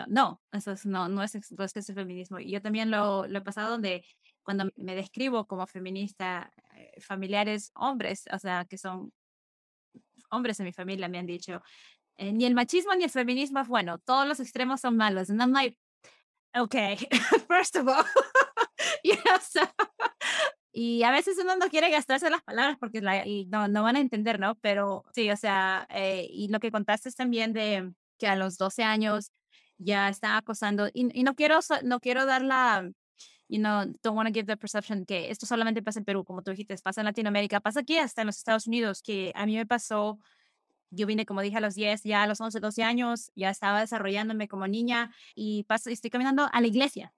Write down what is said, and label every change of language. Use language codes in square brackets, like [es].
[es] No, eso no es que es el feminismo. Y yo también lo he pasado donde cuando me describo como feminista, familiares hombres, o sea, que son hombres en mi familia, me han dicho, ni el machismo ni el feminismo es bueno, todos los extremos son malos. [en] And I'm like, okay, first of all, yes. [es] Y a veces uno no quiere gastarse las palabras porque no van a entender, ¿no? Pero sí, o sea, y lo que contaste es también de que a los 12 años ya estaba acosando. Y no quiero dar la, [en] don't want to give the perception [es] que esto solamente pasa en Perú, como tú dijiste, pasa en Latinoamérica, pasa aquí hasta en los Estados Unidos, que a mí me pasó, yo vine, como dije, a los 10, ya a los 11, 12 años, ya estaba desarrollándome como niña y estoy caminando a la iglesia.